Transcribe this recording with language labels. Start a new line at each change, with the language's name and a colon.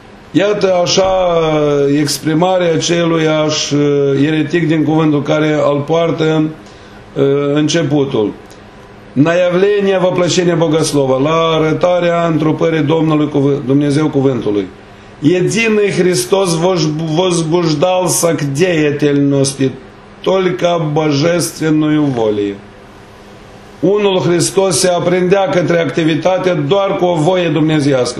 Romanian: Iată așa exprimarea celui așa eretic din cuvântul care îl poartă începutul.
Russian: На явление воплощения Богослова,
Romanian: la arătarea întrupării Domnului Dumnezeu cuvântului.
Russian: Единый Христос возбуждался к деятельности только божественную волею.
Romanian: Unul Hristos se aprindea către activitate doar cu o voie dumnezească.